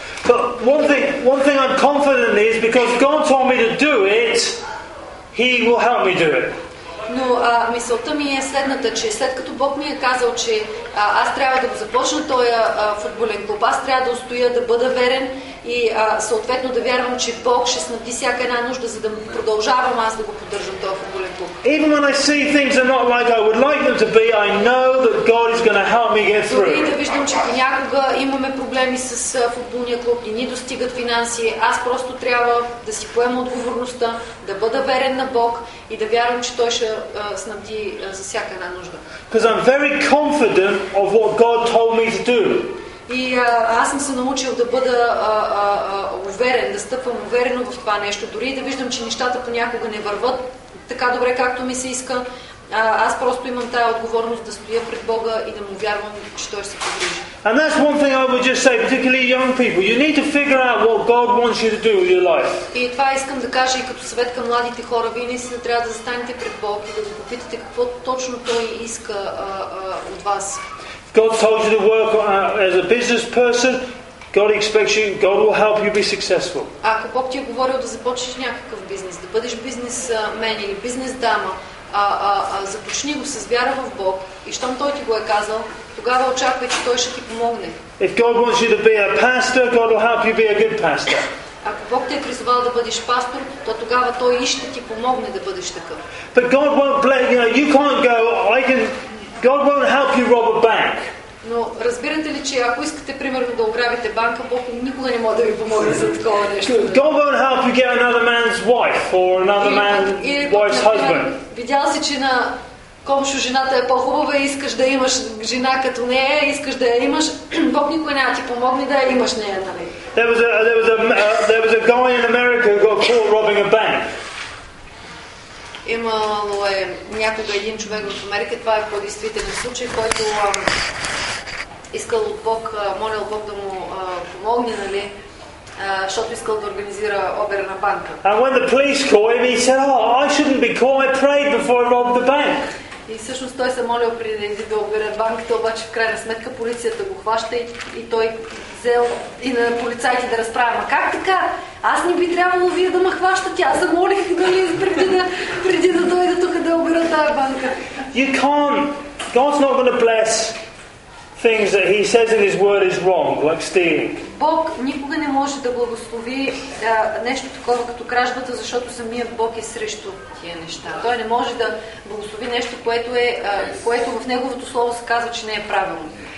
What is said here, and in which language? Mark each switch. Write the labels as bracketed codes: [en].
[en] But one thing I'm confident is because God told me to do it, he will help me do it. [bg] Но мисълта ми е следната, че след като Бог ми е казал, че аз трябва да го започна този футболен клуб, аз трябва да устоя, да бъда верен, и съответно да вярвам, че Бог ще снабди всяка една нужда, за да продължавам аз да го поддържам този футболен клуб. [en] Even when I see things are not like I would like them to be, I know that God is going to help me get through. [bg] Дори да виждам, че понякога имаме проблеми с футболния клуб и ни достигат финанси, аз просто трябва да си поема отговорността, да бъда верен на Бог и да вярвам, че Той ще снабди за всяка една нужда. [en] Because I'm very confident of what God told me to do. [bg] И аз съм се научил да бъда уверен, да стъпвам уверено в това нещо, дори да виждам, че нещата понякога не върват така добре, както ми се иска. Аз просто имам тая отговорност да стоя пред Бога и да му вярвам, че Той ще се погрижи. [en] And that's one thing I would just say, particularly young people. You need to figure out what God wants you to do with your life. [bg] И това искам да кажа и като съвет към младите хора. Вие наистина трябва да застанете пред Бог и да го попитате какво точно Той иска от вас. [en] God told you to work as a business person. God expects you, God will help you be successful. [bg] Ако Бог ти е говорил да започнеш някакъв бизнес, да бъдеш бизнесмен или бизнес дама, започни го с вяра в Бог и щом Той ти го е казал, тогава очаквай, че Той ще ти помогне. [en] If God wants you to be a pastor, God will help you be a good pastor. [bg] Ако Бог те е призвал да бъдеш пастор, то тогава Той и ще ти помогне да бъдеш такъв. [en] But God won't bless you. You can't go, I can... God won't help you rob a bank. [bg] Но разбирате ли, че ако искате примерно да ограбите банка, Бог никога не може да ви помогне за такова нещо. [en] God won't help you get another man's wife or another man's wife's husband. [bg] Видял си, че на комшу жената е по-хубава и искаш да имаш жена като нея, искаш да я имаш, Бог никога не ти помогне да я имаш нея, нали? [en] There was a guy in America who got caught robbing a bank. [bg] Имало е някога един човек в Америка, това е по-действителен случай, който искал от Бог, молил Бог да му помогне, нали, защото искал да организира обир на банка. [en] And when the police called him, he said, oh, I shouldn't be called, I prayed before I robbed the bank. [bg] И всъщност той се молил преди да обира банката, обаче в крайна сметка полицията го хваща и той взел и на полицаите да разправя. Как така? Аз не би трябвало вие да ме хващате. Аз се молих дали преди да дойда тук да обира тая банка. [en] You can't. God's not going to bless things that he says in his word is wrong, like stealing. [bg] Бог никога не може да благослови нещо такова като кражбата, защото самият Бог е срещу тия неща. Той не може да благослови нещо, което в неговото слово се казва, че не е правилно.